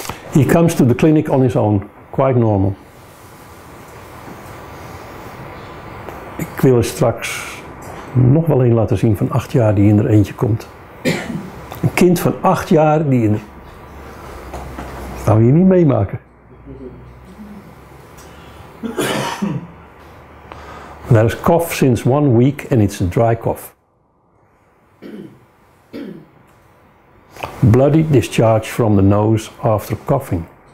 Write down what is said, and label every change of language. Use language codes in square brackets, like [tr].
[en] He comes to the clinic on his own, quite normal. [nl] Ik wil er straks nog wel een laten zien van 8 jaar die in er eentje komt. Een kind van 8 jaar die in er... Dat gaan we hier niet meemaken. [en] There is cough since 1 week and it's a dry cough. Bloody discharge from the nose after coughing.